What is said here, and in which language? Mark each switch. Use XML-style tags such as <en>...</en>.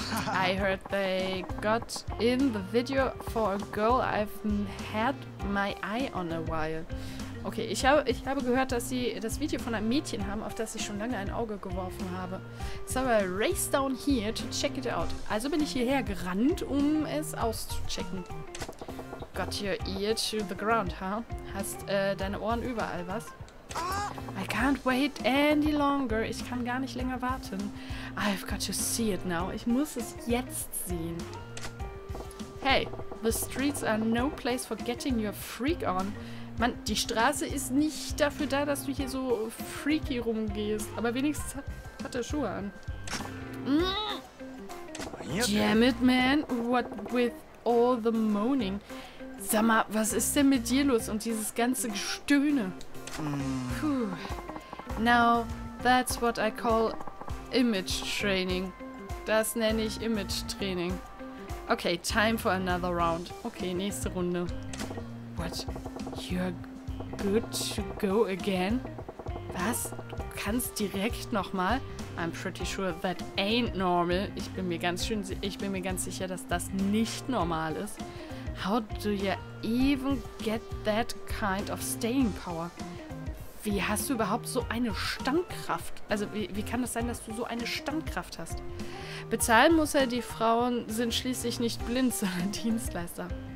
<en>I heard they got in the video for a girl I've had my eye on a while.</en> <de>Okay, ich habe gehört, dass sie das Video von einem Mädchen haben, auf das ich schon lange ein Auge geworfen habe.</de> <en>So I raced down here to check it out.</en> <de>Also bin ich hierher gerannt, um es auszuchecken.</de> <en>Got your ear to the ground, huh?</en> <de>Hast deine Ohren überall, was?</de> <en>I can't wait any longer.</en> <de>Ich kann gar nicht länger warten.</de> <en>I've got to see it now.</en> <de>Ich muss es jetzt sehen.</de> <en>Hey, the streets are no place for getting your freak on.</en> <de>Mann, die Straße ist nicht dafür da, dass du hier so freaky rumgehst. Aber wenigstens hat er Schuhe an.</de> <en>Damn it, man. What with all the moaning?</en> <de>Sag mal, was ist denn mit dir los und dieses ganze Gestöhne?</de> <en>Puh. Now, that's what I call image training.</en> <de>Das nenne ich image training.</de> <en>Okay, time for another round.</en> <de>Okay, nächste Runde.</de> <en>What? You're good to go again?</en> <de>Was? Du kannst direkt nochmal?</de> <en>I'm pretty sure that ain't normal.</en> <de>Ich bin mir ganz sicher, dass das nicht normal ist.</de> <en>How do you even get that kind of staying power?</en> <de>Wie hast du überhaupt so eine Standkraft? Also wie kann das sein, dass du so eine Standkraft hast? Bezahlen muss er, die Frauen sind schließlich nicht blind, sondern Dienstleister.</de>